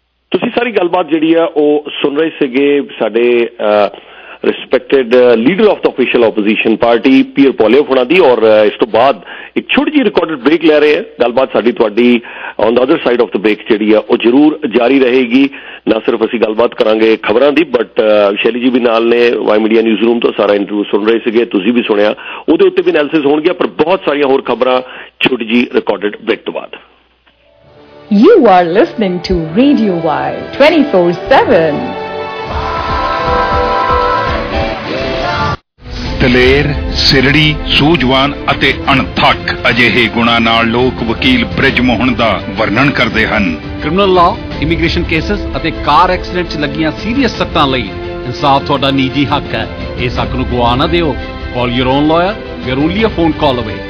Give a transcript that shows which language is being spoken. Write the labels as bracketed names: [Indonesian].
[Punjabi] ਤੁਸੀਂ ਸਾਰੀ ਗੱਲਬਾਤ ਜਿਹੜੀ ਆ ਉਹ ਸੁਣ ਰਹੇ ਸੀਗੇ ਸਾਡੇ respected leader of the official opposition party peer polio ਹੁਣਾਂ ਦੀ ਔਰ ਇਸ ਤੋਂ ਬਾਅਦ ਇੱਕ ਛੋਟੀ ਜਿਹੀ ਰਿਕਾਰਡਡ ਬ੍ਰੇਕ ਲੈ ਰਹੇ ਹਾਂ ਗੱਲਬਾਤ ਸਾਡੀ ਤੁਹਾਡੀ [English] on the other side of the break [Punjabi] ਜਿਹੜੀ ਆ ਉਹ ਜ਼ਰੂਰ ਜਾਰੀ ਰਹੇਗੀ ਨਾ ਸਿਰਫ ਅਸੀਂ ਗੱਲਬਾਤ ਕਰਾਂਗੇ ਖਬਰਾਂ ਦੀ ਬਟ ਸ਼ੈਲੀ ਜੀ ਵੀ ਨਾਲ ਨੇ ਵਾਈ ਮੀਡੀਆ ਨਿਊਜ਼ ਰੂਮ ਤੋਂ ਸਾਰਾ ਇੰਟਰਵਿਊ ਸੁਣ ਰਹੇ ਸੀਗੇ ਤੁਸੀਂ ਵੀ ਸੁਣਿਆ ਉਹਦੇ ਉੱਤੇ ਵੀ ਅਨਾਲਿਸਿਸ ਹੋਣਗੇ ਪਰ ਬਹੁਤ ਸਾਰੀਆਂ ਹੋਰ ਖਬਰਾਂ ਛੋਟੀ ਜਿਹੀ ਰਿਕਾਰਡਡ ਬ੍ਰੇਕ ਤੋਂ ਬਾਅਦ [English] You are listening to Radio Y 24/7. [Punjabi] ਦਲੇਰ ਸਿਰੜੀ ਸੂਝਵਾਨ ਅਤੇ ਅਣਥੱਕ ਅਜਿਹੇ ਗੁਣਾਂ ਨਾਲ ਲੋਕ ਵਕੀਲ ਬ੍ਰਿਜ ਮੋਹਨ ਦਾ ਵਰਣਨ ਕਰਦੇ ਹਨ ਕ੍ਰਿਮੀਨਲ ਲਾਅ ਇਮੀਗ੍ਰੇਸ਼ਨ ਕੇਸਸ ਅਤੇ ਕਾਰ ਐਕਸੀਡੈਂਟ 'ਚ ਲੱਗੀਆਂ ਸੀਰੀਅਸ ਸੱਟਾਂ ਲਈ ਇਨਸਾਫ ਤੁਹਾਡਾ ਨਿੱਜੀ ਹੱਕ ਹੈ ਇਸ ਹੱਕ ਨੂੰ ਗਵਾ ਨਾ ਦਿਓ [English] call your own lawyer you're only a phone call away